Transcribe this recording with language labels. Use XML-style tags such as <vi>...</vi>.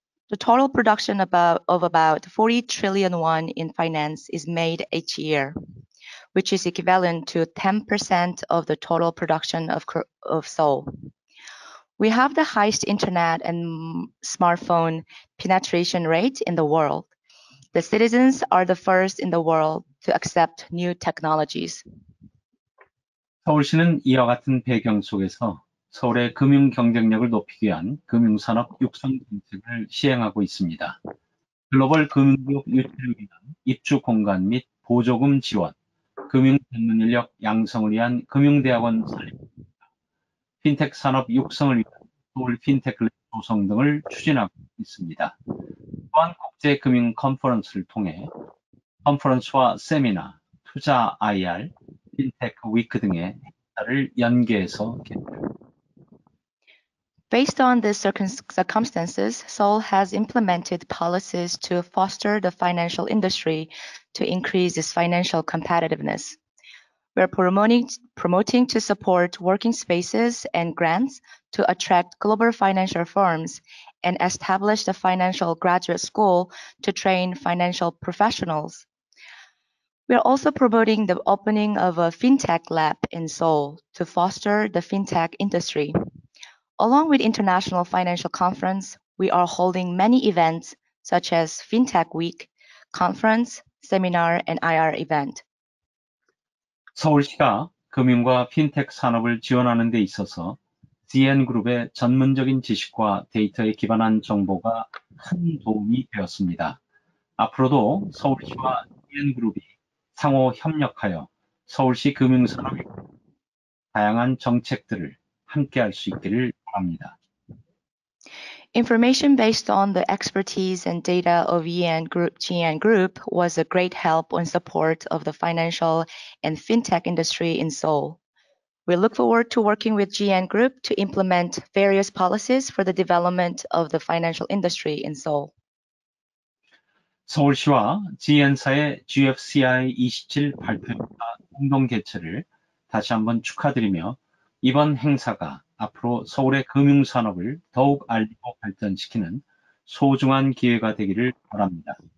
<en>The total production of about 40 trillion won in finance is made each year, which is equivalent to 10% of the total production of Seoul. We have the highest internet and smartphone penetration rate in the world. The citizens are the first in the world to accept new technologies.</en> <ko>서울시는 이와 같은 배경 속에서 서울의 금융 경쟁력을 높이기 위한 금융산업 육성 정책을 시행하고 있습니다. 글로벌 금융기업 유치를 위한 입주 공간 및 보조금 지원, 금융 전문 인력 양성을 위한 금융대학원 설립, 핀텍 산업 육성을 위한 서울 핀텍랩 조성 등을 추진하고 있습니다. 또한 국제 금융 컨퍼런스를 통해 컨퍼런스와 세미나, 투자 IR, 핀테크 위크 등의 행사를 연계해서 개최합니다.</ko> <en>Based on the circumstances, Seoul has implemented policies to foster the financial industry to increase its financial competitiveness. We're promoting to support working spaces and grants to attract global financial firms and establish the financial graduate school to train financial professionals. We are also promoting the opening of a fintech lab in Seoul to foster the fintech industry. Along with International Financial Conference, we are holding many events such as Fintech Week, conference, seminar, and IR event.</en> <ko>서울시가 금융과 핀텍 산업을 지원하는 데 있어서 GN그룹의 전문적인 지식과 데이터에 기반한 정보가 큰 도움이 되었습니다. 앞으로도 서울시와 GN그룹이 상호 협력하여 서울시 금융산업의 다양한 정책들을 함께할 수 있기를 바랍니다.</ko> <en>Information based on the expertise and data of GN Group was a great help in support of the financial and fintech industry in Seoul. We look forward to working with GN Group to implement various policies for the development of the financial industry in Seoul.</en> <ko>서울시와 GN사의 GFCI 27 발표와 공동 개최를 다시 한번 축하드리며 이번 행사가 앞으로 서울의 금융산업을 더욱 알리고 발전시키는 소중한 기회가 되기를 바랍니다.</ko>